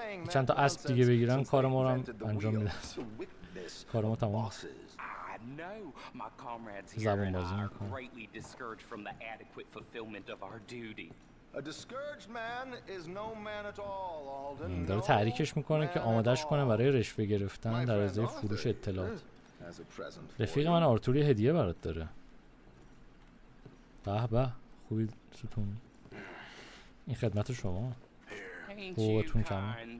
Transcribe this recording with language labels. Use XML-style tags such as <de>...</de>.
<fa>چند تا اسب دیگه بگیرن کارمو رو هم انجام میدن. کارمو تمام.</fa> <en>No, my comrades here and I are greatly discouraged from the adequate fulfillment of our duty. A discouraged man is no man at all, Alden.</en> <fa>داره تحریکش میکنه که آمادش کنه برای رشوه گرفتن در ازای فروش اطلاعات. رفیق من آرتوری هدیه برات داره. به به خوبی ستون. این خدمت شما. حقوقتون کمه.</fa>